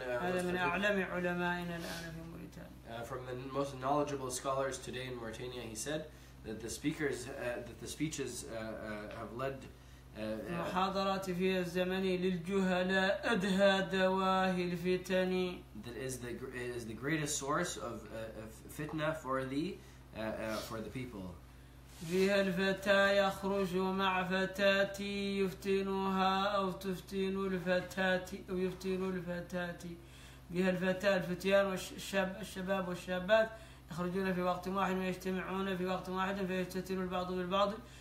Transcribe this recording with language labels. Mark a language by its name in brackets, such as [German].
[Arabic] هذا من أعلم علمائنا الآن في موريتانيا. [English] From the most knowledgeable scholars today in Mauritania, he said that the speakers that the speeches have led. [Arabic] محاضرات في الزمن للجهلاء أدهى دواهي الفتن. [English] That is the greatest source of fitna for the people. [Arabic] فيها الفتى يخرج مع فتاتي يفتنها أو تفتن الفتاتي أو يفتن الفتاتي. فيها الفتاة الفتيان والشباب والشابات يخرجون في وقت واحد ويجتمعون في وقت واحد فيفتتن البعض بالبعض.